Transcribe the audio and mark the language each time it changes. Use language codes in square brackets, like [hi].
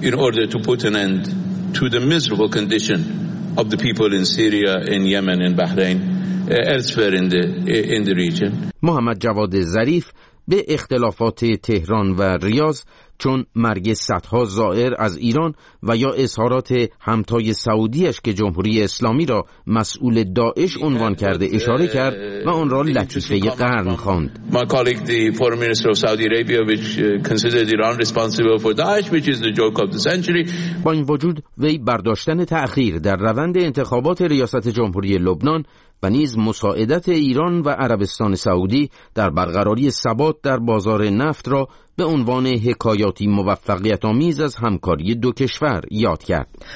[en] To the miserable condition of the people in Syria, in Yemen, in Bahrain, elsewhere in the region. [fa] محمد جواد ظریف به اختلافات تهران و ریاض چون مرگ صدها زائر از ایران و یا اظهارات همتای سعودیش که جمهوری اسلامی را مسئول داعش عنوان کرده اشاره کرد و آن را لطیفه قرن خواند. [en] My colleague, the foreign minister of Saudi Arabia, which considers Iran responsible for Daesh, which is the joke of the century. [fa] با این وجود وی برداشتن تأخیر در روند انتخابات ریاست جمهوری لبنان و نیز مساعدت ایران و عربستان سعودی در برقراری ثبات در بازار نفت را به عنوان حکایاتی موفقیت‌آمیز از همکاری دو کشور یاد کرد.